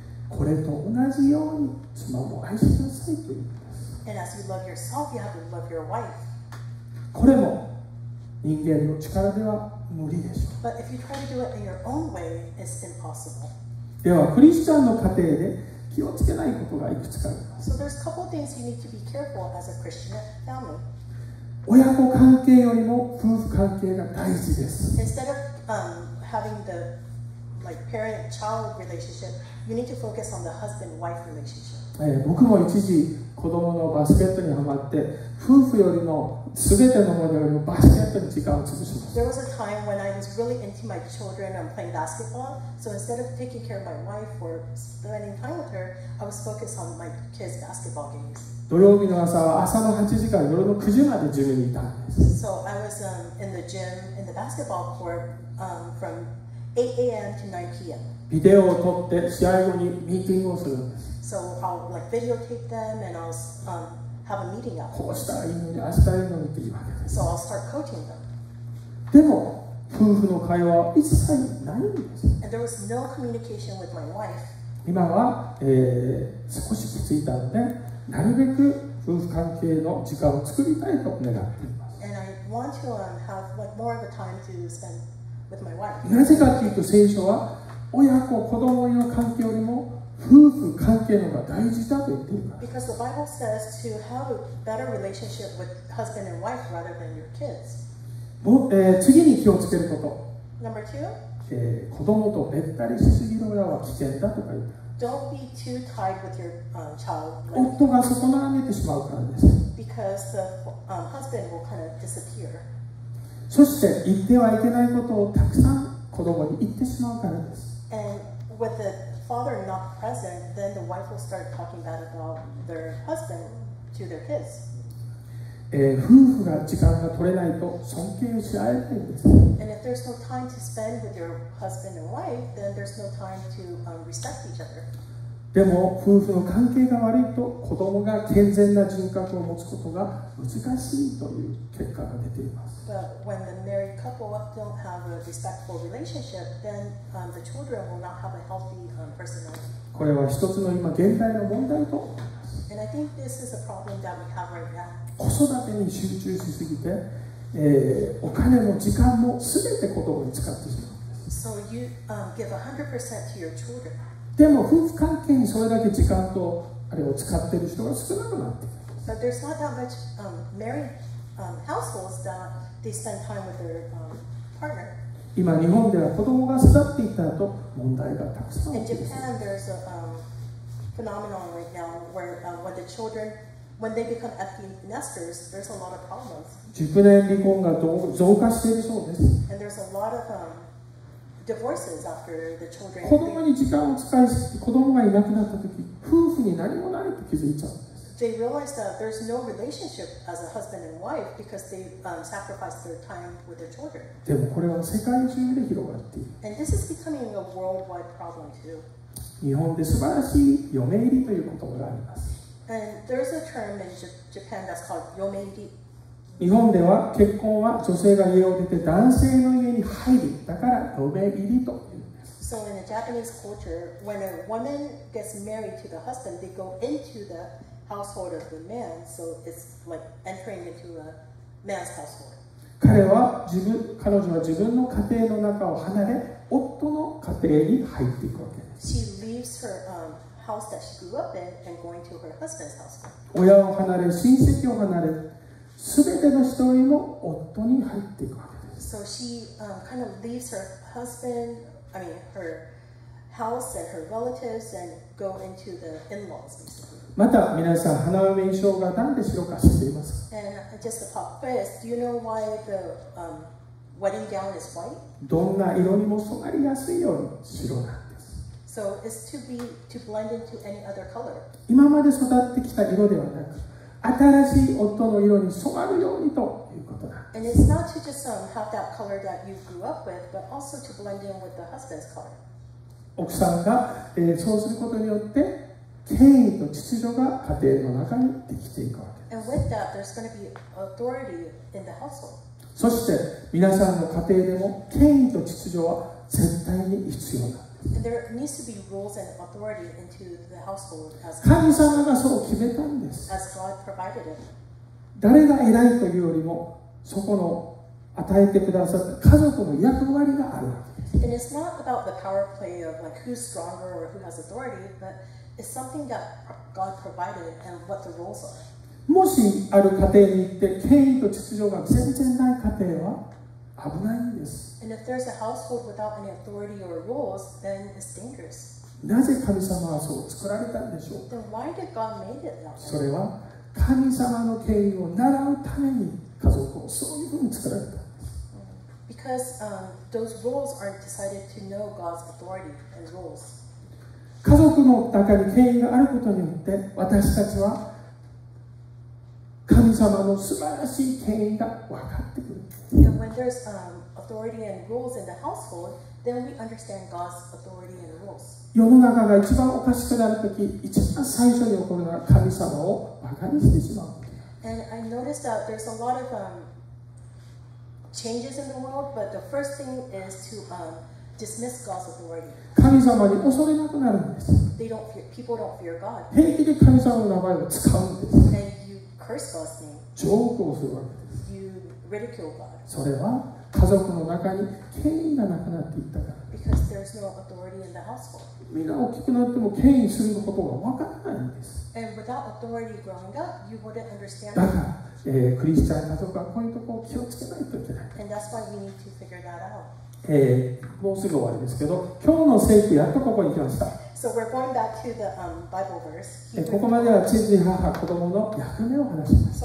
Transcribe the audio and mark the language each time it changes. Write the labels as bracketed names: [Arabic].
[Japanese] これと同じように妻も愛しなさいと言います。 [English] And as you love yourself, you have to love your wife. [Japanese] これも人間の力では無理でしょう。 [English] But if you try to do it in your own way, it's impossible. [Japanese] ではクリスチャンの家庭で気をつけないことがいくつかあります。 [English] So there's a couple things you need to be careful as a Christian family. [Japanese] 親子関係よりも夫婦関係が大事です。 [English] Instead of having the like parent-child relationship, you need to focus on the husband-wife relationship. [Japanese] 僕も一時子供のバスケットにハマって夫婦よりも全てのものよりもバスケットに時間を潰します。 [English] There was a time when I was really into my children and playing basketball. So instead of taking care of my wife or spending time with her, I was focused on my kids' basketball games. [Japanese] 土曜日の朝は朝の8時から夜の9時までジムにいたんです。 [English] So I was in the gym in the basketball court from 8 a.m. to 9 p.m. [Japanese] ビデオを撮って試合後にミーティングをするんです。 [English] So I'll like videotape them and I'll have a meeting after. So I'll start coaching them. [Japanese] でも夫婦の会話は一切ないんです。 [English] And there was no communication with my wife. [Japanese] 今は、少し気づいたのでなるべく夫婦関係の時間を作りたいと願っています。 [English] And I want to have like more of a time to spend with my wife. [Japanese] なぜかというと聖書は親子子供の関係よりも夫婦関係のが大事だと言っています。 [English] Because the Bible says to have a better relationship with husband and wife rather than your kids. [Japanese] 次に気をつけること。 [English] Number two. [Japanese] 子供とべったりしすぎるのは危険だとか言った。 [English] Don't be too tied with your child. [Japanese] 夫が外なめてしまうからです。 [English] Because the husband will kind of disappear. [Japanese] そして言ってはいけないことをたくさん子供に言ってしまうからです。 [English] And with thefather not present, then the wife will start talking bad about their husband to their kids. [Japanese] 夫婦が時間が取れないと尊敬し合えないんです。 [English] And if there's no time to spend with your husband and wife, then there's no time to respect each other. [Japanese] でも夫婦の関係が悪いと子供が健全な人格を持つことが難しいという結果が出ています。 [English] But when the married couple don't have a respectful relationship, then the children will not have a healthy personality. [Japanese] これは一つの今現代の問題と。 [English] And I think this is a problem that we have right now. [Japanese] 子育てに集中しすぎて、お金も時間も全て子供に使ってしまう。 [English] So you give 100% to your children. [Japanese] でも夫婦関係にそれだけ時間とあれを使ってる人が少なくなってくる。 [English] But there's not that much married households that they spend time with their partner. [Japanese] 今日本では子供が育っていった後、問題がたくさん。 [English] In Japan, there's a phenomenon right now where when the children, when they become empty nesters, there's a lot of problems. [Japanese] 熟年離婚が増加しているそうです。 [English] And there's a lot of divorces after the children. [Japanese] 子供に時間を使いすぎて、子供がいなくなった時、夫婦に何もないと気づいちゃう。 [English] They realize that there's no relationship as a husband and wife because they sacrifice their time with their children. [Japanese] でもこれは世界中で広がっている。 [English] And this is becoming a worldwide problem too. [Japanese] 日本で素晴らしい嫁入りという言葉があります。 [English] And there's a term in Japan that's called 嫁入り。 [Japanese] 日本では結婚は女性が家を出て男性の家に入る。だから嫁入りと。 [English] So in a Japanese culture, when a woman gets married to the husband, they go into theHousehold of the man, so it's like entering into a man's household. [Japanese] 彼は自分、彼女は自分の家庭の中を離れ、夫の家庭に入っていくわけです。 [English] She leaves her house that she grew up in and going to her husband's house. [Japanese] 親を離れ、親戚を離れ、すべての人にも夫に入っていくわけです。 [English] So she kind of leaves her husband, I mean her house and her relatives and go into the in-laws. [Japanese] また皆さん花嫁衣装が何で白か知っていますか。 [English] And just a pop quiz, do you know why the wedding gown is white? [Japanese] どんな色にも染まりやすいように白なんです。 [English] So it's to be to blend into any other color. [Japanese] 今まで育ってきた色ではなく新しい夫の色に染まるようにということなんです。 [English] And it's not to just have that color that you grew up with, but also to blend in with the husband's color. [Japanese] 奥さんが、そうすることによって権威と秩序が家庭の中にできていくわけです。 [English] And with that, there's going to be authority in the household. [Japanese] そして皆さんの家庭でも権威と秩序は絶対に必要なんです。 [English] And there needs to be rules and authority into the household as God. [Japanese] 神様がそう決めたんです。 [English] As God provided it. [Japanese] 誰が偉いというよりもそこの与えてくださった家族の役割があるわけです。 [English] And it's not about the power play of like who's stronger or who has authority, but it's something that God provided and what the roles are. [Japanese] もしある家庭に行って権威と秩序が全然ない家庭は危ないんです。 [English] And if there's a household without any authority or rules, then it's dangerous. [Japanese] なぜ神様はそう作られたんでしょう。 [English] Then why did God made it that way? [Japanese] それは神様の権威を習うために家族をそういうふうに作られた。 [English] Because those roles are decided to know God's authority and rules. [Japanese] 家族の中に権威があることによって私たちは神様の素晴らしい権威が分かってくる。 [English] And when there's authority and rules in the household, then we understand God's authority and rules. [Japanese] 世の中が一番おかしくなるとき、一番最初に起こるのは神様を馬鹿にしてしまう。 [English] And I noticed that there's a lot of changes in the world, but the first thing is to dismiss God's authority. [Japanese] 神様に恐れなくなるんです。 [English] They don't fear, people don't fear God. [Japanese] 平気で神様の名前を使うんです。 [English] And you curse God's name. [Japanese] ジョークをするわけです。 [English] You ridicule God. [Japanese] それは家族の中に権威がなくなっていったから。 [English] Because there's no authority in the household. [Japanese] みんな大きくなっても権威することがわからないんです。 [English] And without authority growing up, you wouldn't understand. [Japanese] だから。クリスチャン家族はこういうところを気をつけないといけない。 [English] And that's why we need to figure that out. [Japanese] もうすぐ終わりですけど、今日の聖句やっとここに来ました。 [English] So we're going back to the Bible verse. [Japanese] ここまでは父、母、子供の役目を話します。